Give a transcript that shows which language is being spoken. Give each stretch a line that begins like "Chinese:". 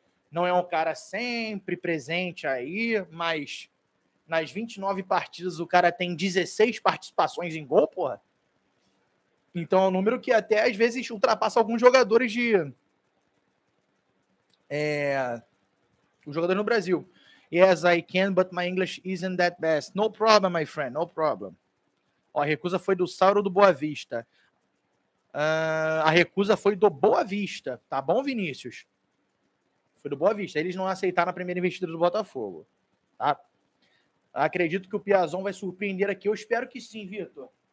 Portuguese: Não é um cara sempre presente aí, mas nas 29 partidas o cara tem 16 participações em gol, porra. Então é um número que até às vezes ultrapassa alguns jogadores de... os jogadores no Brasil.
English: Yes, I can, but my English isn't that best. No problem, my friend, no problem.
Portuguese: Ó, a recusa foi do Sauro do Boa Vista. A recusa foi do Boa Vista, tá bom, Vinícius? Foi do Boa Vista. Eles não aceitaram a primeira investida do Botafogo, tá? Acredito que o Piazon vai surpreender aqui. Eu espero que sim, Vitor.